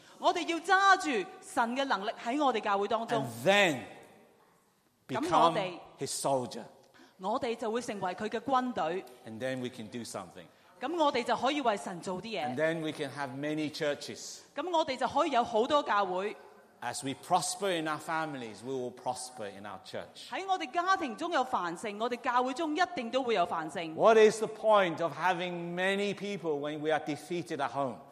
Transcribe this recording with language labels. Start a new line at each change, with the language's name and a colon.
Chinese: 我們要拿著神的能力在我們教會當中。
English: And then become his soldier.
Chinese: 我們就會成為他的軍隊。
English: And then we can do something.
Chinese: 我們就可以為神做些事。
English: And then we can have many churches.
Chinese: 我們就可以有很多教會。
English: As we prosper in our families, we will prosper in our church.
Chinese: 在我们家庭中有繁盛，我们教会中一定都会有繁盛。
English: What is the point of having many people when we are defeated at home?